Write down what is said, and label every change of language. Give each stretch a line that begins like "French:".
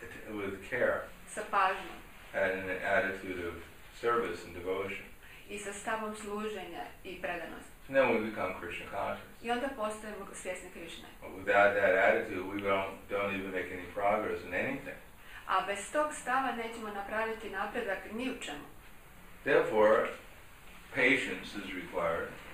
English: With care.
Croatian: Sa pažnjom.
English: And an attitude of service and devotion.
Croatian: I sa stavom služenja i predanost.
English: So then we become Krishna conscious.
Croatian: I onda postajemo svjesni Krishne.
English: But without that attitude, we don't even make any progress in anything.
Croatian: A bez tog stava nećemo napraviti napredak ni u čemu.
English: Therefore, patience is required.